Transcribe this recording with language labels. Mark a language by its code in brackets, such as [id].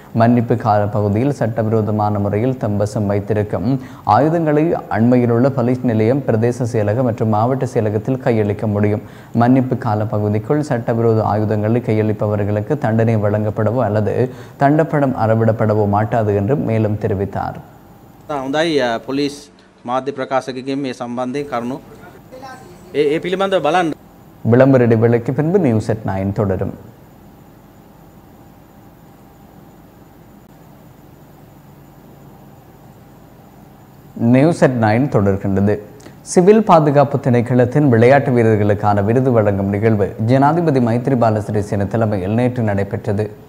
[ta] மன்னிப்பு கால பகுதியில் சட்டவிரோதமான முறையில் தம்பசம் வைத்திருக்கும் ஆயுதங்களை அண்மையில் உள்ள போலீஸ் நிலையம், பிரதேச செயலகம் மற்றும் மாவட்ட செயலகத்தில் கையளிக்க முடியும். மன்னிப்பு கால பகுதிக்குள் சட்டவிரோத ஆயுதங்களை கையளிப்பவர்களுக்கு தண்டனை வழங்கப்படவோ அல்லது தண்டப்படம் அறவிடப்படவோ மாட்டாது என்றும் மேலும் தெரிவித்தார். [si] හොඳයි පොලිස් මාධ්‍ය ප්‍රකාශකකින් මේ සම්බන්ධයෙන් කරුණු ඒ පිළිබඳව බලන්න. [ta] விளம்பர இடைவெளிக்கு பின்பு நியூஸ் அட் 9 தொடரும். நியூஸ் அட் 9 தொடர்கின்றது. சிவில் பாதுகாப்பு திணைக்களத்தின் விளையாட்டு வீரர்களுக்கான விருது வழங்கும் நிகழ்வு ஜனாதிபதி மைத்ரிபால சிறிசேன தலைமையில் நேற்று நடைபெற்றது.